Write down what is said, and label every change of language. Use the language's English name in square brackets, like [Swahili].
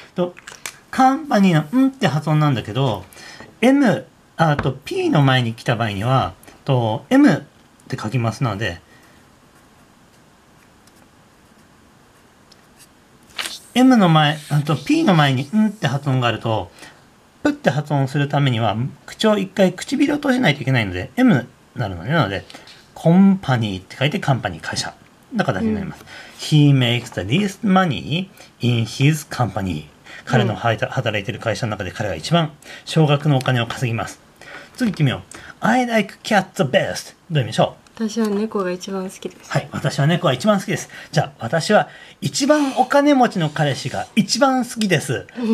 [Japanese] とカンパニーのんって発音なんだけど、 M あと P の前に来た場合にはと M って書きますので、M の前、あと P の前にんって発音があると、プって発音するためには、口を一回唇を閉じないといけないので、M になるので、ね、なので、コンパニーって書いて、カンパニー、会社の形になります、うん。 [English] He makes the least money in his company。 [Japanese] 彼の働いている会社の中で彼が一番、少額のお金を稼ぎます。次行ってみよう。 [English] I like cats the best。 [Japanese] どういう意味でしょう。私は猫が一番好きです。はい、私は猫が一番好きです。じゃあ、私は、一番お金持ちの彼氏が一番好きです。